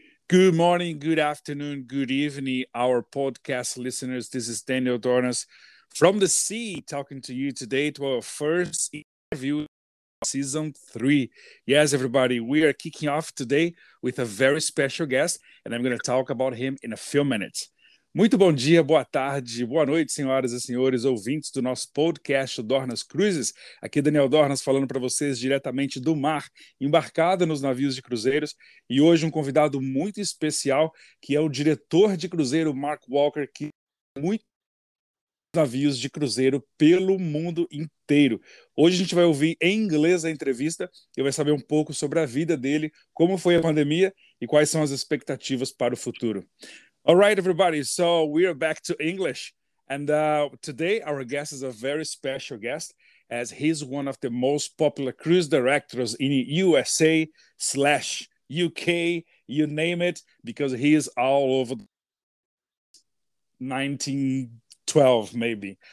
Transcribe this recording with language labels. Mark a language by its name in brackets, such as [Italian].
[English] Good morning, good afternoon, good evening, our podcast listeners. This is Daniel Dornas from the sea talking to you today to our first interview of season three. Yes, everybody, we are kicking off today with a very special guest, and I'm going to talk about him in a few minutes. [Portuguese] Muito bom dia, boa tarde, boa noite, senhoras e senhores, ouvintes do nosso podcast Dornas Cruises. Aqui Daniel Dornas falando para vocês diretamente do mar, embarcado nos navios de cruzeiros. E hoje um convidado muito especial, que é o diretor de cruzeiro, Marc, que é muito navios de cruzeiro pelo mundo inteiro. Hoje a gente vai ouvir em inglês a entrevista e vai saber um pouco sobre a vida dele, como foi a pandemia e quais são as expectativas para o futuro. [English] All right, everybody, so we are back to English, and today our guest is a very special guest, as he's one of the most popular cruise directors in USA / UK, you name it, because he is all over 1912, maybe.